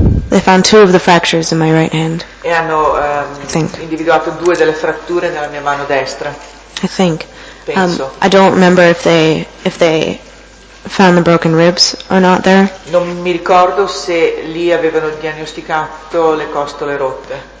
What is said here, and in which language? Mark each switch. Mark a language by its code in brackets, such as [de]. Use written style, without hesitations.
[en] They found two of the fractures in my right hand. [it] E hanno individuato due delle fratture nella mia mano destra. [en] I think. [it] Penso. [en] I don't remember if they found the broken ribs or not there. [it] Non mi ricordo se lì avevano diagnosticato le costole rotte.